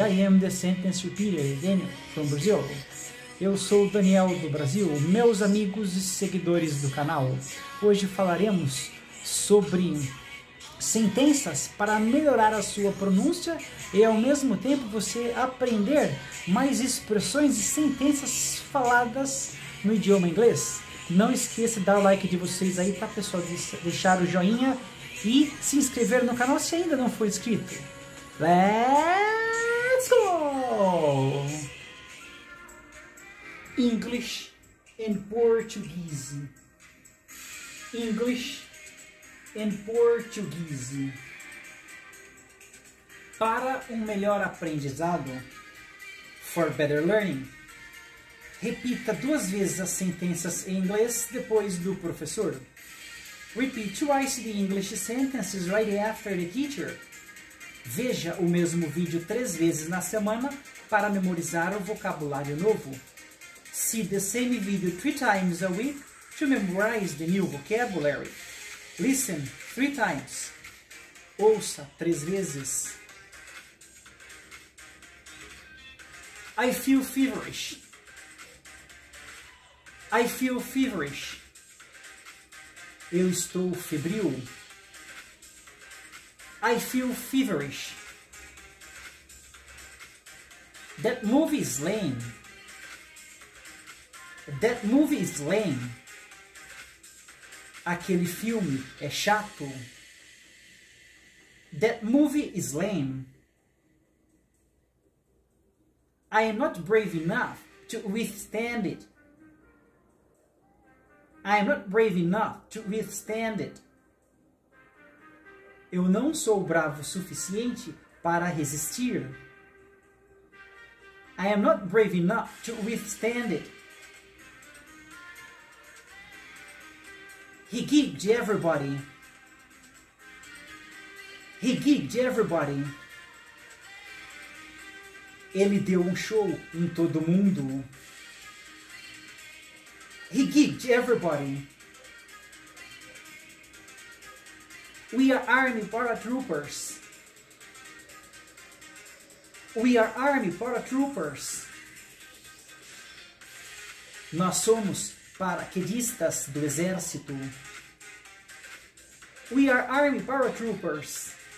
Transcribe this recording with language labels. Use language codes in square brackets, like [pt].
[en] I am the sentence repeater, Daniel, from Brazil. [pt] Eu sou o Daniel do Brasil, meus amigos e seguidores do canal. Hoje falaremos sobre sentenças para melhorar a sua pronúncia e, ao mesmo tempo, você aprender mais expressões e sentenças faladas no idioma inglês. Não esqueça de dar o like de vocês aí, tá, pessoal? Deixar o joinha e se inscrever no canal se ainda não for inscrito. [en] Let's go! English and Portuguese. English and Portuguese. [pt] Para melhor aprendizado, [en] for better learning, [pt] repita duas vezes as sentenças em inglês depois do professor. [en] Repeat twice the English sentences right after the teacher. [pt] Veja o mesmo vídeo três vezes na semana para memorizar o vocabulário novo. [en] See the same video three times a week to memorize the new vocabulary. Listen three times. [pt] Ouça três vezes. [en] I feel feverish. I feel feverish. [pt] Eu estou febril. [en] I feel feverish. That movie is lame. That movie is lame. [pt] Aquele filme é chato. [en] That movie is lame. I am not brave enough to withstand it. I am not brave enough to withstand it. [pt] Eu não sou bravo o suficiente para resistir. [en] I am not brave enough to withstand it. He gigged everybody. He gigged everybody. [pt] Ele deu show em todo mundo. [en] He gigged everybody. We are army paratroopers. We are army paratroopers. [pt] Nós somos paraquedistas do exército. [en] We are army paratroopers.